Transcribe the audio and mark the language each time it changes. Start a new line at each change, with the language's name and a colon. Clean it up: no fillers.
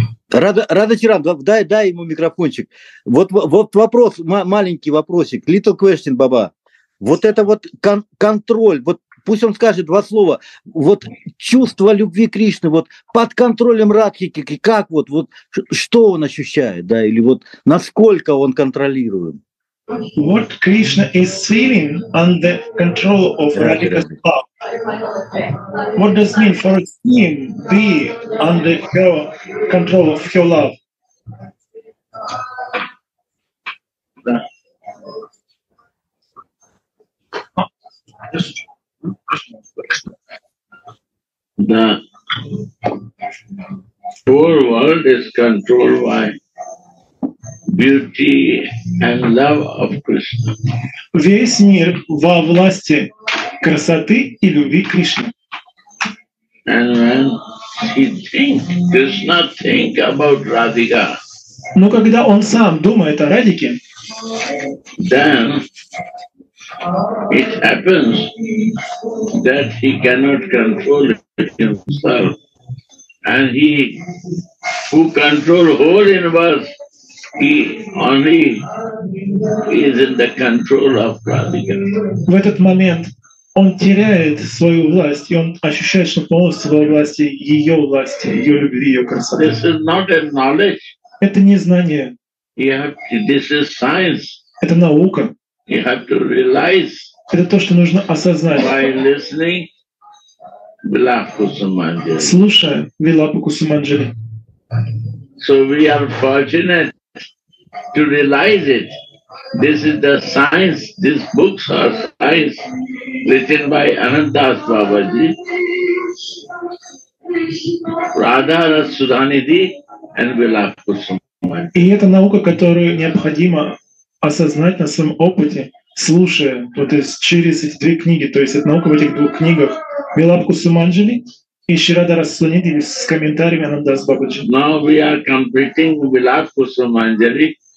Russian: Рада Чиран, дай ему микрофончик. Вот вопрос, маленький вопросик,
English: little question,
Russian: баба. Вот это вот контроль, вот пусть он скажет два слова. Вот чувство любви Кришны, вот под контролем Радхики, как вот, что он ощущает, да, или вот насколько он контролируем?
English: what Krishna is feeling under control of Radhika's power. What does it mean for him be under your control of your love? The whole world is controlled by beauty and love of Krishna.
Russian: Весь мир во власти красоты и любви Кришны.
English: And when he thinks, does not think about Radhika.
Russian: Но когда он сам думает о Радике,
English: then it happens that he cannot control himself, and he who control whole universe, he only is in the control of Radhika.
Russian: В этот момент он теряет свою власть, и он ощущает, что полностью во власти ее власти, ее любви, ее красоты.
English: This is not a knowledge.
Russian: Это не знание.
English: You have to, this is science.
Russian: Это наука.
English: You have to realize.
Russian: Это то, что нужно осознать.
English: By listening, Vilapa Kusumanjali.
Russian: Слушая Vilapa Kusumanjali.
English: So we are fortunate to realize it. This is the science. These books are science written by Anandas Babaji, Radha Rasudhanidhi, and Vilapa Kusumanjali.
Russian: И это наука, которую необходимо осознать на своем опыте, слушая вот через эти две книги. То есть это наука в этих двух книгах Vilapa Kusumanjali и Shiradhara Sunidhi с комментариями Анандас Бабаджи.
English: Now we are completing Vilapa Kusumanjali.